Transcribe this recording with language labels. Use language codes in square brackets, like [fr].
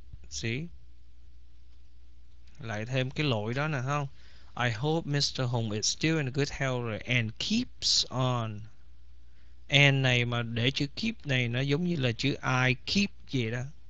[vi] See, lại thêm cái lỗi đó nè, không, [en] I hope Mr. Hùng is still in good health and keeps on. [vi] And này mà để chữ keep này nó giống như là chữ [en] I keep [vi] vậy đó.